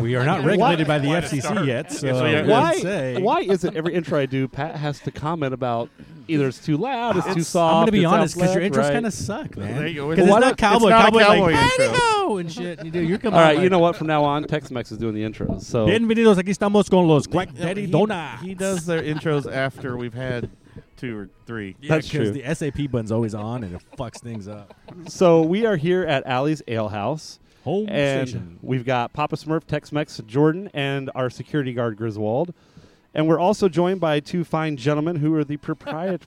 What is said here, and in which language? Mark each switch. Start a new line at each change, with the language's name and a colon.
English: We are not regulated by the FCC yet, so why is it every intro I do, Pat has to comment about either it's too loud, it's too soft? I'm going to be honest, because your intros right. kind of suck, man. Because well, it's not Cowboy. It's not cowboy like, intro. And shit. You do, you're coming all right, like, you know what? From now on, Tex Mex is doing the intros. So.
Spanish: Bienvenidos, aquí estamos con los Quack Daddy Donuts.
English: He does their intros after we've had two or three. Yeah, that's true. Because the SAP button's always on, and it fucks things up. So we are here at Allie's Ale House. Home and station. We've got Papa Smurf, Tex-Mex, Jordan, and our security guard, Griswold. And we're also joined by two fine gentlemen who are the proprietor.